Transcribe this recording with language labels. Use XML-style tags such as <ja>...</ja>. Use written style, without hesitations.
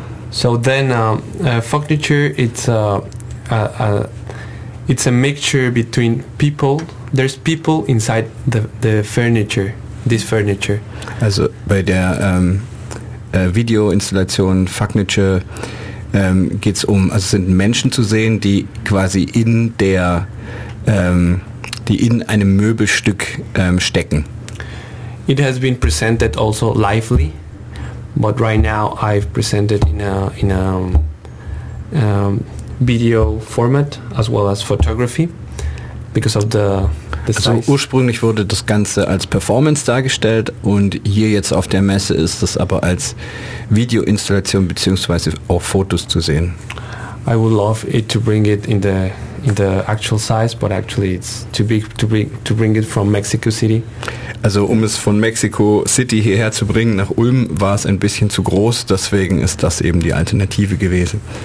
<en>So then, furniture, it's a mixture between people. There's people inside the furniture. This furniture.</en> <de>Also bei der Videoinstallation Fugniture geht's um, also sind Menschen zu sehen, die quasi in der, die in einem Möbelstück stecken.</de> <en>It has been presented also lively, but right now I've presented in a video format as well as photography because of the.</en> <de>Also ursprünglich wurde das Ganze als Performance dargestellt und hier jetzt auf der Messe ist es aber als Videoinstallation beziehungsweise auch Fotos zu sehen.</de> <en>I would love it to bring it in the actual size, but actually it's too big to bring it from Mexico City.</en> <de>Also um es von Mexico City hierher zu bringen nach Ulm war es ein bisschen zu groß, deswegen ist das eben die Alternative gewesen.</de>